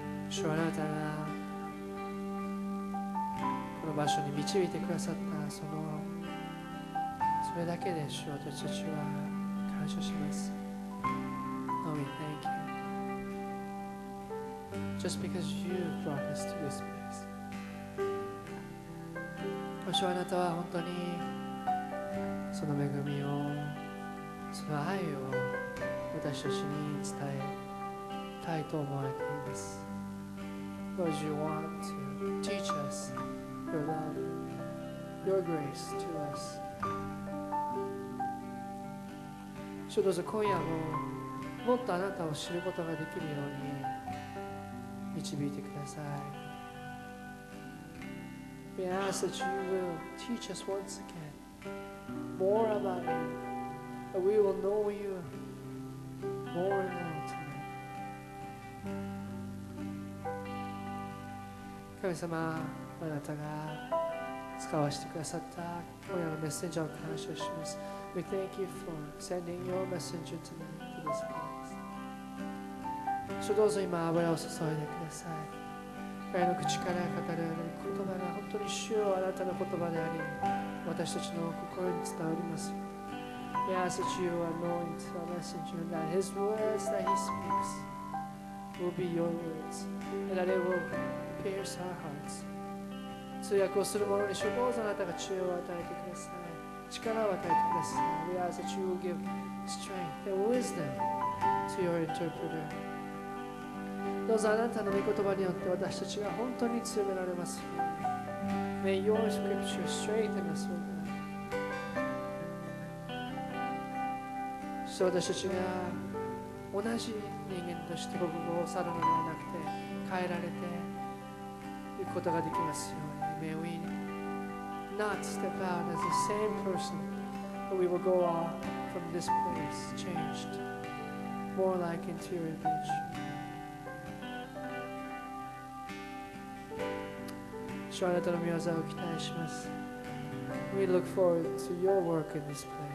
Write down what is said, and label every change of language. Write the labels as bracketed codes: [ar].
[ja] 主あなたがこの場所に導いてくださった、そのそれだけで主、私たちは感謝します。 [en] No, we thank you just because you brought us to this place。 [ja] 主あなたは本当にその恵みを、その愛を私たちに伝えたいと思われています。 [en] Lord, you want to teach us your love, your grace to us. [ja] 主どうぞ今夜ももっとあなたを知ることができるように導いてください。 [en] We ask that you will teach us once again more about you, that we will know you more and more tonight. [ja] 神様、あなたが使わせてくださった今夜のメッセンジャーを感謝します。 [en] We thank you for sending your messenger tonight to this place。 [ja] 主どうぞ今油を注いでください。彼の口から語る言葉が本当に主よ、あなたの言葉であり、私たちの心に伝わります。 [en] We ask that you anoint our messenger, that his words that he speaks will be your words, and that it will pierce our hearts. [ja] 通訳をする者に主、どうぞあなたが知恵を与えてください、力を与えてください。 [en] We ask that you will give strength and wisdom to your interpreter. [ja] どうぞあなたの御言葉によって私たちが本当に強められます。 [en] May your scripture strengthen us, O God. [ja] そう、私たちが同じ人間として僕を去るのではなくて変えられて行くことができますように。 [en] May we not step out as the same person, but we will go on from this place changed, more like into your image. [ja] 主、あなたの御業を期待します。 [en] We look forward to your work in this place.